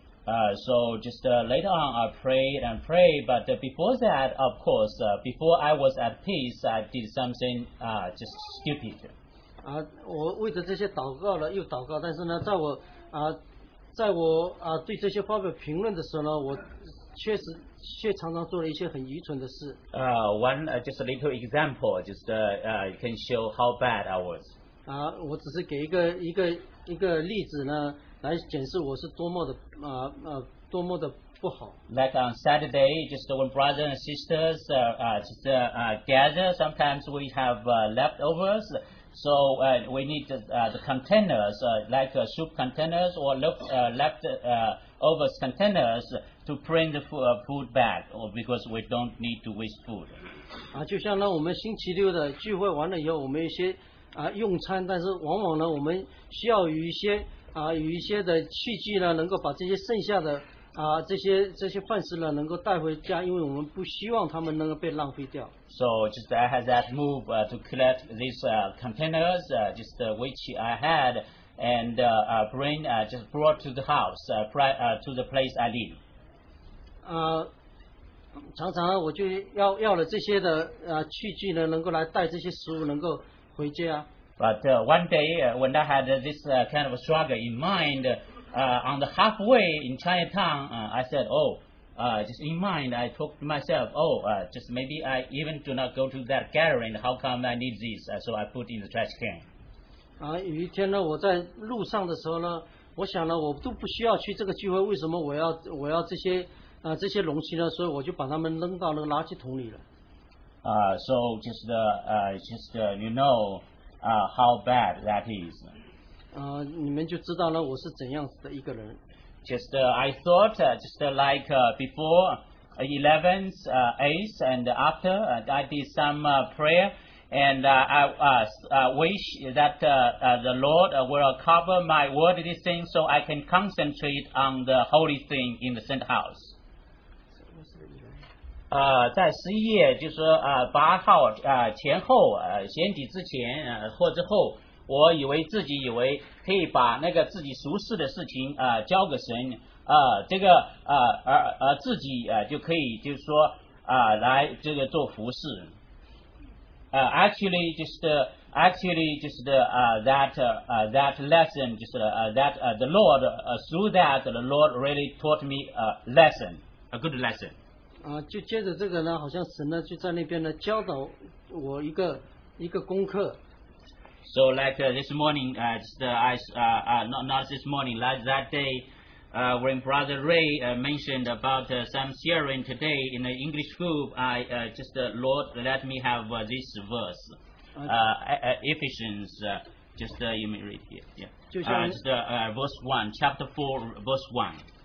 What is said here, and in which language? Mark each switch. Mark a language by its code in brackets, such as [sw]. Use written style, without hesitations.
[en] So just later on, I prayed and prayed. But before that, of course, before I was at peace, I did something just stupid. [zh] 啊，我为着这些祷告了又祷告，但是呢，在我啊，在我啊对这些发表评论的时候呢，我确实。却常常做了一些很愚蠢的事。 [en] One just a little example, just can show how bad I was. [zh] 啊，我只是给一个例子呢，来显示我是多么的多么的不好。 [en] Like on Saturday, just when brothers and sisters gather, sometimes we have leftovers, so we need the containers like soup containers or leftovers containers. To bring the food back, or because we don't need to waste food. [zh] 啊，就像呢，我们星期六的聚会完了以后，我们一些啊用餐，但是往往呢，我们需要有一些啊有一些的器具呢，能够把这些剩下的啊这些饭食呢，能够带回家，因为我们不希望他们能够被浪费掉。 [en] So just I had that move to collect these containers, just which I had, and bring just brought to the house, to the place I live. [zh] 常常我就要了这些的器具呢，能够来带这些食物能够回家。 [en] But one day when I had this kind of struggle in mind, on the halfway in Chinatown, I said, just in mind, I talked to myself, just maybe I even do not go to that gathering. How come I need this? So I put in the trash can. [zh] 有一天呢，我在路上的时候呢，我想呢，我都不需要去这个聚会，为什么我要这些？这些容器呢，所以我就把它们扔到那个垃圾桶里了。 [en] So just you know, how bad that is. [zh] 你们就知道了我是怎样的一个人。 [en] Just I thought just like before 11th, 8th, and after I did some prayer, and I wish that the Lord will cover my worldly thing so I can concentrate on the holy thing in the center house. [zh] 在十一月就是八号前后前几之前或之后，我以为自己以为可以把那个自己熟识的事情交给神这个自己就可以就是说来这个做服事 [en] that lesson just that the Lord through that the Lord really taught me a good lesson. [zh] 就接着这个呢，好像神呢就在那边呢教导我一个功课。 [en] So like this morning, not this morning, like that day, when Brother Ray mentioned about some sharing today in the English group, I just Lord let me have this verse, Ephesians, you may read here, verse 1, chapter 4, verse 1.